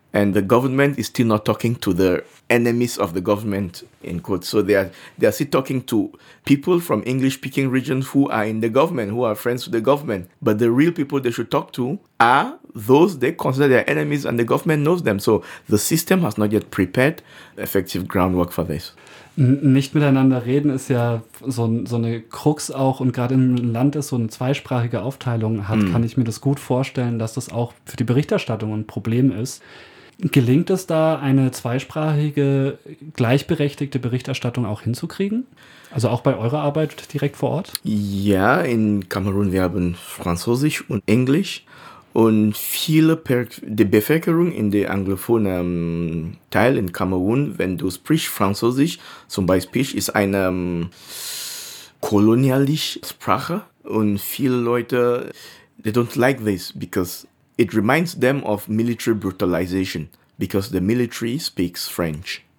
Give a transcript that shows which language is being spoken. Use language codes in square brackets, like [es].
[en] And the government is still not talking to the enemies of the government, in quotes. So they are still talking to people from English-speaking regions who are in the government, who are friends with the government. But the real people they should talk to are those they consider their enemies, and the government knows them. So the system has not yet prepared effective groundwork for this. [de] Nicht miteinander reden ist ja so eine Krux auch, und gerade im Land, das so eine zweisprachige Aufteilung hat, kann ich mir das gut vorstellen, dass das auch für die Berichterstattung ein Problem ist. Gelingt es da, eine zweisprachige, gleichberechtigte Berichterstattung auch hinzukriegen? Also auch bei eurer Arbeit direkt vor Ort? Ja, in Kamerun, wir haben Französisch und Englisch. Und viele, die Bevölkerung in der anglophonen Teil in Kamerun, wenn du sprichst Französisch, zum Beispiel, ist eine kolonialische Sprache. Und viele Leute, [en] they don't like this, because it reminds them of military brutalization, because the military speaks French.